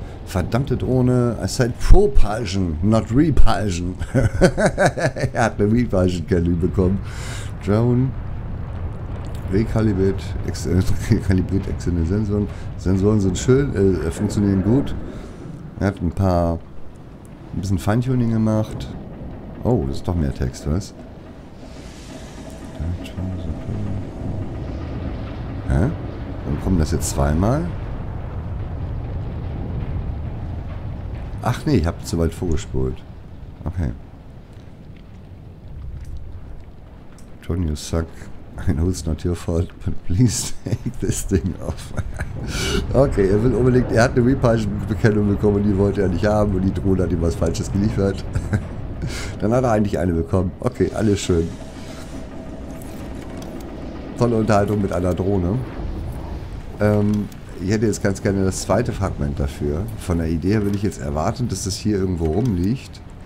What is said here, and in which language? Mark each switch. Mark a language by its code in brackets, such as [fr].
[de] Verdammte Drohne, [en] I said Propulsion, not Repulsion. [de] Er hat eine Repulsion-Kelly bekommen. Drone. Rekalibriert externe Sensoren. Sensoren sind schön, funktionieren gut. Er hat ein bisschen Feintuning gemacht. Oh, das ist doch mehr Text, was? Hä? Warum kommen das jetzt zweimal? Ach nee, ich habe zu weit vorgespult. Okay. [en] Tony, you suck. I know it's not your fault, but please take this thing off. [de] Okay, er will unbedingt, er hat eine Repulsion-Bekennung bekommen und die wollte er nicht haben und die Drohne hat ihm was Falsches geliefert. Dann hat er eigentlich eine bekommen. Okay, alles schön. Tolle Unterhaltung mit einer Drohne. Ich hätte jetzt ganz gerne das zweite Fragment dafür. Von der Idee her würde ich jetzt erwarten, dass das hier irgendwo rumliegt.